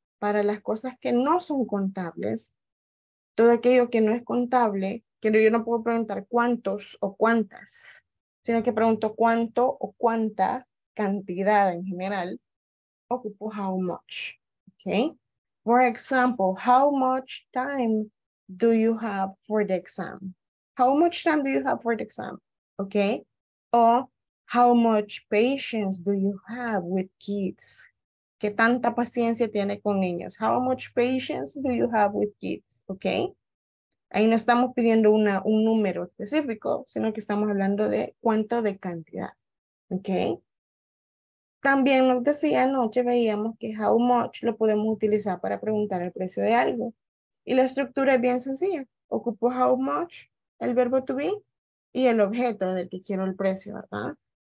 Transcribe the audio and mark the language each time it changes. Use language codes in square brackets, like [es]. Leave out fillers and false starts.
[es] Para las cosas que no son contables, todo aquello que no es contable, que yo no puedo preguntar cuántos o cuántas, sino que pregunto cuánto o cuánta cantidad en general, ocupo how much, okay? [en] For example, how much time do you have for the exam? How much time do you have for the exam, okay? Or how much patience do you have with kids? [es] ¿Qué tanta paciencia tiene con niños? [en] How much patience do you have with kids, okay? [es] Ahí no estamos pidiendo un número específico, sino que estamos hablando de cuánto de cantidad, okay? También nos decía anoche, veíamos que how much lo podemos utilizar para preguntar el precio de algo. Y la estructura es bien sencilla. Ocupo how much, el verbo to be, y el objeto del que quiero el precio, ¿verdad?